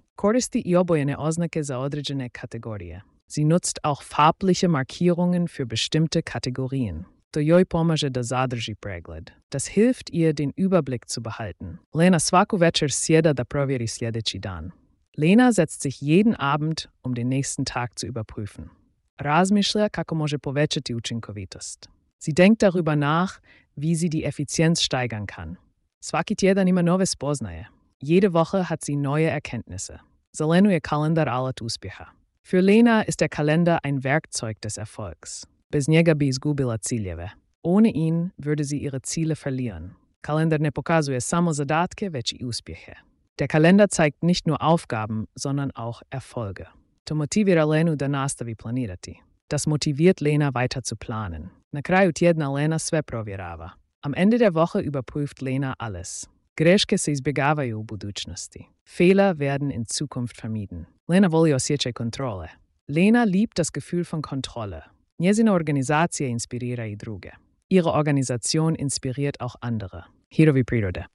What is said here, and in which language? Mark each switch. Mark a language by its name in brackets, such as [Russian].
[Croatian] Koristi i obojene oznake za određene kategorije. [German] Sie nutzt auch farbliche Markierungen für bestimmte Kategorien. [Croatian] To joj pomaže da zadrži pregled. [German] Das hilft ihr, den Überblick zu behalten. [Croatian] Lena svaku večer sjeda da provjeri sljedeći dan. [German] Lena setzt sich jeden Abend, um den nächsten Tag zu überprüfen. [Croatian] Razmišlja kako može povećati učinkovitost. [German] Sie denkt darüber nach, wie sie die Effizienz steigern kann. [Croatian] Svaki tjedan ima nove spoznaje. [German] Jede Woche hat sie neue Erkenntnisse. [Croatian] Za Lenu je kalendar alat uspjeha. [German] Für Lena ist der Kalender ein Werkzeug des Erfolgs. [Croatian] Bez njega bi izgubila ciljeve. [German] On in würde sie ihre Ziele verlieren. [Croatian] Kalender ne pokazuje samo zadatke, već i uspjehe. [German] Der Kalender zeigt nicht nur Aufgaben, sondern auch Erfolge. [Croatian] To motivira Lenu da nastavi planirati. [German] Das motiviert Lena weiter zu planen. [Croatian] Na kraju tjedna Lena sve provjerava. [German] Am Ende der Woche überprüft Lena alles. [Croatian] Greške se izbjegavaju u budućnosti. [German] Fehler werden in Zukunft vermieden. [Croatian] Lena voli osjećaj kontrole. [German] Lena liebt das Gefühl von Kontrolle. [Croatian] Njezina organizacija inspirira i druge. [German] Ihre Organisation inspiriert auch andere. [Croatian] Hirovi prirode.